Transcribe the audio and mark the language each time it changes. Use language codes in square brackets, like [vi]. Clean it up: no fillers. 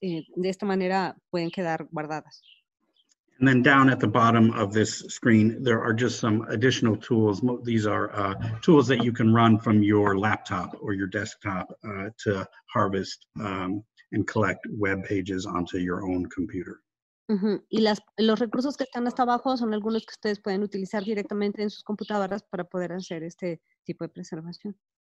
[es] De esta manera pueden quedar guardadas. [en] And then down at the bottom of this screen, there are just some additional tools. These are tools that you can run from your laptop or your desktop to harvest and collect web pages onto your own computer. [es] Uh-huh. Y los recursos que están hasta abajo son algunos que ustedes pueden utilizar directamente en sus computadoras para poder hacer este tipo de preservación.